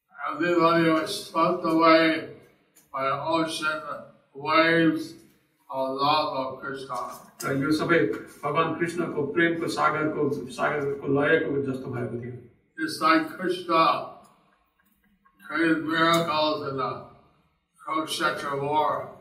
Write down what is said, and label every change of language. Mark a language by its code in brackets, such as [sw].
[en] everybody was swept away by the ocean waves of love of Krishna. [ne] यो सबै भगवान कृष्णको प्रेमको सागरको लयको जस्तो भएको थियो. [en] It's like Krishna created miracles in the Kurukshetra war.